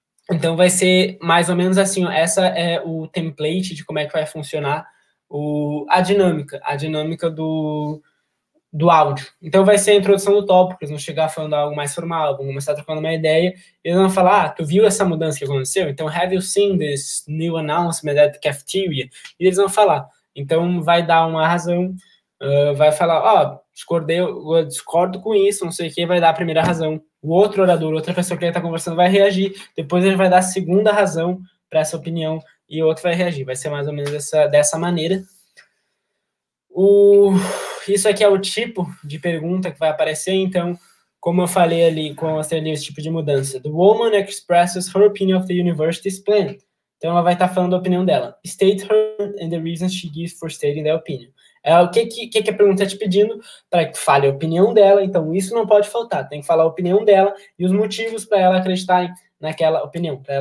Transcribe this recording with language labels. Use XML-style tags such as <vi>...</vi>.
<pt>Então vai ser mais ou menos assim, ó. Essa é o template de como é que vai funcionar a dinâmica do áudio. Então vai ser a introdução do tópico, eles vão chegar falando algo mais formal, vão começar trocando uma ideia, e eles vão falar, ah, tu viu essa mudança que aconteceu? Então,</pt> <en>have you seen this new announcement at the cafeteria?</en> <pt>E eles vão falar. Então vai dar uma razão, vai falar, ó, discordo com isso, não sei o que, vai dar a primeira razão. O outro orador, outra pessoa que ele tá conversando vai reagir, depois ele vai dar a segunda razão para essa opinião, e o outro vai reagir. Vai ser mais ou menos dessa maneira. Isso aqui é o tipo de pergunta que vai aparecer, então, como eu falei ali, com esse tipo de mudança.</pt> <en>The woman expresses her opinion of the university's plan.</en> <pt>Então, ela vai estar falando a opinião dela.</pt> <en>State her and the reasons she gives for stating their opinion.</en> <pt>É, o que a pergunta está te pedindo? Para que tu fale a opinião dela, então isso não pode faltar. Tem que falar a opinião dela e os motivos para ela acreditar naquela opinião.</pt>